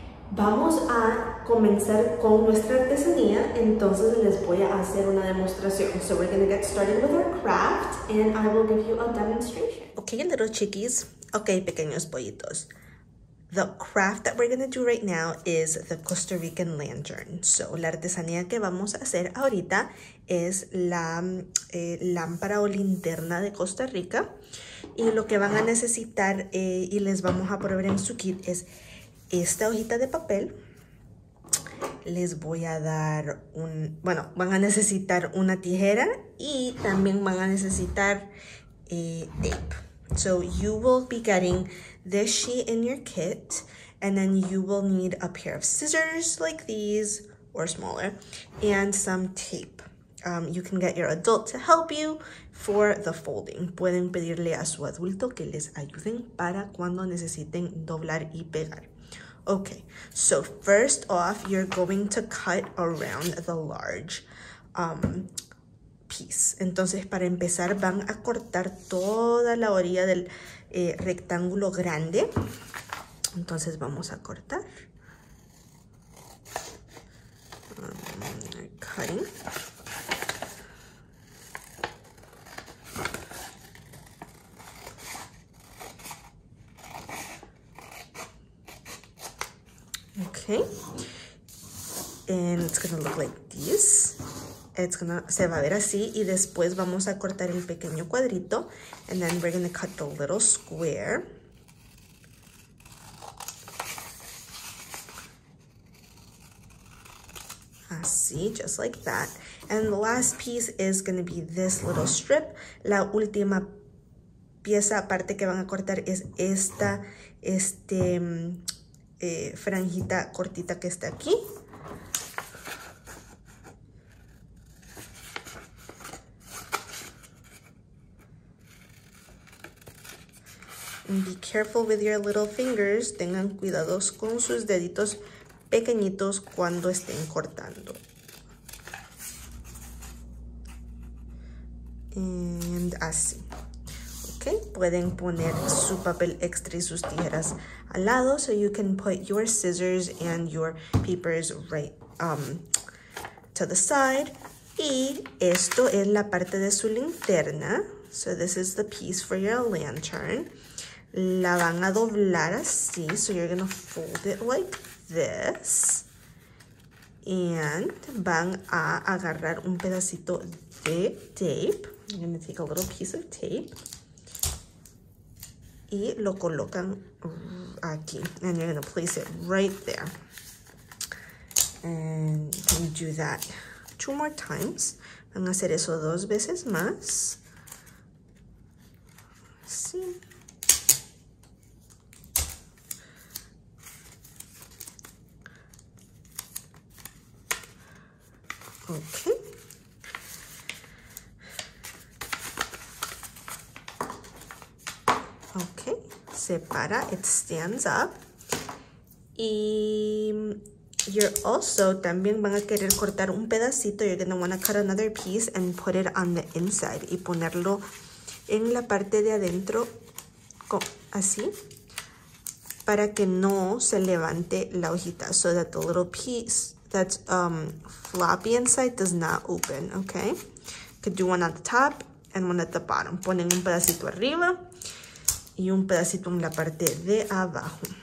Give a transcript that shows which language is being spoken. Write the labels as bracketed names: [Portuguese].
[Spanish] Vamos a comenzar con nuestra artesanía, entonces les voy a hacer una demostración. [English] So we're going to get started with our craft, and I will give you a demonstration. Okay, little chickies. Okay, [Spanish] pequeños pollitos. [English] The craft that we're going to do right now is the Costa Rican lantern. [Spanish] So la artesanía que vamos a hacer ahorita es la lámpara o linterna de Costa Rica. Y lo que van a necesitar y les vamos a proveer en su kit es esta hojita de papel. Les voy a dar un... Bueno, van a necesitar una tijera y también van a necesitar tape. [English] So you will be getting this sheet in your kit, and then you will need a pair of scissors like these or smaller, and some tape. You can get your adult to help you for the folding. [Spanish] Pueden pedirle a su adulto que les ayuden para cuando necesiten doblar y pegar. [English] Okay, so first off, you're going to cut around the large piece. [Spanish] Entonces, para empezar, van a cortar toda la orilla del rectángulo grande. Entonces, vamos a cortar. [English] Cutting. Okay, and it's gonna look like this. It's gonna, [Spanish] se va a ver así, y después vamos a cortar el pequeño cuadrito, [English] and then we're gonna cut the little square. [Spanish] Así, [English] just like that. And the last piece is gonna be this little strip. [Spanish] La última pieza, aparte que van a cortar, es esta, este... franjita cortita que está aquí. [English] Be careful with your little fingers. [Spanish] Tengan cuidados con sus deditos pequeñitos cuando estén cortando. And así. Ok, pueden poner su papel extra y sus tijeras al lado. [English] So you can put your scissors and your papers right to the side. [Spanish] Y esto es la parte de su linterna. [English] So this is the piece for your lantern. [Spanish] La van a doblar así. [English] So you're going to fold it like this. And [Spanish] van a agarrar un pedacito de [English] tape. I'm going to take a little piece of tape. [Spanish] Y lo colocan aquí. [English] And you're going to place it right there. And you do that two more times. [Spanish] Van a hacer eso dos veces más. Sí. [English] Ok. Ok. [Spanish] Se para. [English] It stands up. [Spanish] Y [English] you're also, [Spanish] también van a querer cortar un pedacito. [English] You're going to want to cut another piece and put it on the inside. [Spanish] Y ponerlo en la parte de adentro, así, para que no se levante la hojita. [English] So that the little piece that's floppy inside does not open, okay? Could do one at the top and one at the bottom. [Spanish] Ponen un pedacito arriba y un pedacito en la parte de abajo.